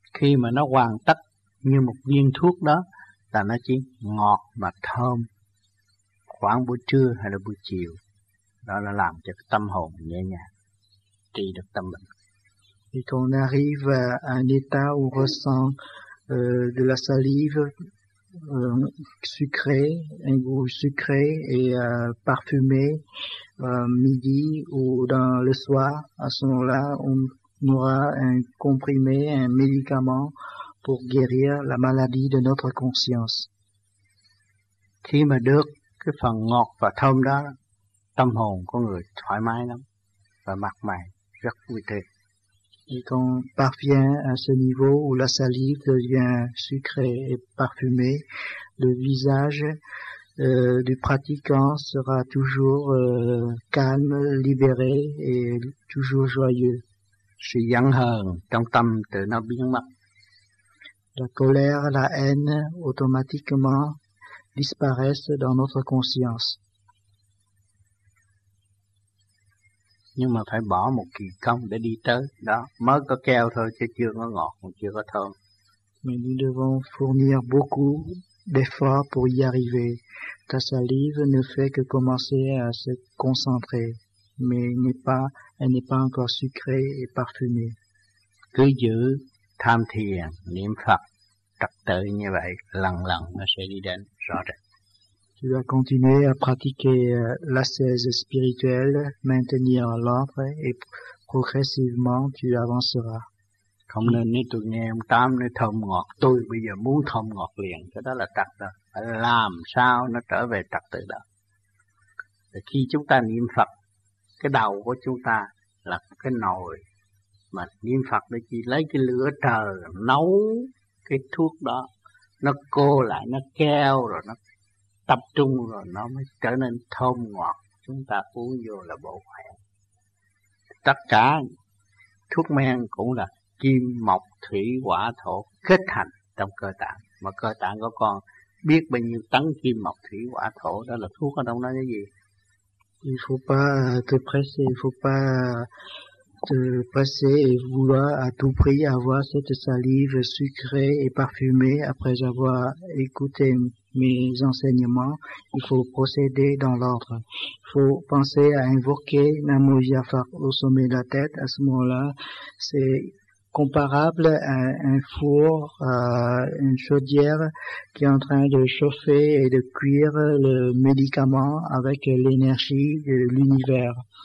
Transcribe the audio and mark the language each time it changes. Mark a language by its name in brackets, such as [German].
[Vietnamese] Khi mà nó hoàn tất như một viên thuốc đó, là nó chỉ ngọt và thơm khoảng buổi trưa hay là buổi chiều, đó là làm cho tâm hồn nhẹ nhàng, trị được tâm bệnh. [French] Thì on arrive à un état où on ressent de la salive sucrée, un goût sucré et parfumé midi ou dans le soir. À ce moment-là, on On aura un comprimé, un médicament pour guérir la maladie de notre conscience. [Vietnamese] Khi mà được cái phần ngọt và thơm đó, tâm hồn con người thoải mái lắm và mặt mày rất vui tươi. [French] Et quand on parvient à ce niveau où la salive devient sucrée et parfumée, le visage du pratiquant sera toujours calme, libéré et toujours joyeux. [Vietnamese] Sự giận hờn trong tâm tự nó biến mất. [French] La colère, la haine automatiquement disparaissent dans notre conscience. [Vietnamese] Nhưng mà phải bỏ một kỳ công để đi tới đó, mới có keo thôi chứ chưa có ngọt, chưa có thơm. [French] Mais nous devons fournir beaucoup d'efforts pour y arriver. Ta salive ne fait que commencer à se concentrer, mais elle n'est pas encore sucrée et parfumée. [Vietnamese] Cứ giữ tham thiền, niệm Phật, trật tự như vậy, lần lần nó sẽ đi đến rõ ràng. [French] Tu dois continuer à pratiquer l'ascèse spirituelle, maintenir l'ordre et progressivement tu avanceras. [Vietnamese] Không nên nói tôi nghe ông Tám nói thơm ngọt, tôi bây giờ muốn thơm ngọt liền, cái đó là trật tự. Phải làm sao nó trở về trật tự đó. Thì khi chúng ta niệm Phật, cái đầu của chúng ta là cái nồi, mà niệm Phật để chỉ lấy cái lửa trời nấu cái thuốc đó, nó cô lại, nó keo rồi nó tập trung rồi nó mới trở nên thơm ngọt, chúng ta uống vô là bổ khỏe. Tất cả thuốc men cũng là kim mộc thủy hỏa thổ kết thành trong cơ tạng, mà cơ tạng của con biết bao nhiêu tấn kim mộc thủy hỏa thổ, đó là thuốc ở đâu nói cái gì. [French] Il faut pas te presser, il faut pas te presser et vouloir à tout prix avoir cette salive sucrée et parfumée après avoir écouté mes enseignements. Il faut procéder dans l'ordre. Il faut penser à invoquer Namo Jayaphar au sommet de la tête. À ce moment-là, c'est comparable à un four, à une chaudière qui est en train de chauffer et de cuire le médicament avec l'énergie de l'univers.